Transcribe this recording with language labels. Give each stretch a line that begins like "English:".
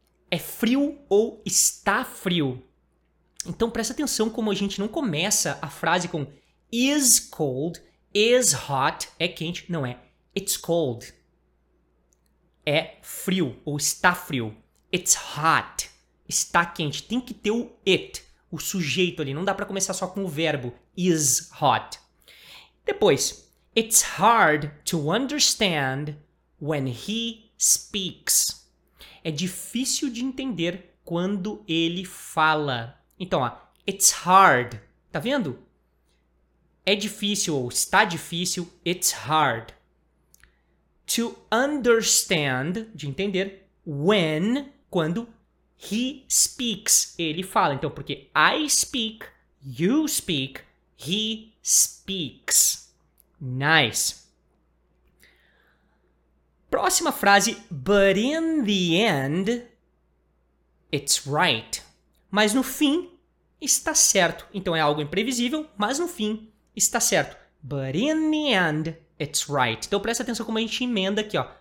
Portuguese: É frio ou está frio. Então, presta atenção como a gente não começa a frase com
English: is cold, is hot,
Portuguese: é quente. Não, é
English: it's cold.
Portuguese: É frio ou está frio.
English: It's hot.
Portuguese: Está quente. Tem que ter o it. O sujeito ali, não dá para começar só com o verbo, is hot. Depois,
English: it's hard to understand when he speaks.
Portuguese: É difícil de entender quando ele fala. Então, ó,
English: it's hard,
Portuguese: tá vendo? É difícil ou está difícil, it's hard.
English: To understand,
Portuguese: de entender, when, quando,
English: he speaks,
Portuguese: ele fala. Então, porque
English: I speak, you speak, he speaks. Nice.
Portuguese: Próxima frase,
English: but in the end, it's right.
Portuguese: Mas no fim, está certo. Então, é algo imprevisível, mas no fim, está certo.
English: But in the end, it's right.
Portuguese: Então, presta atenção como a gente emenda aqui, ó.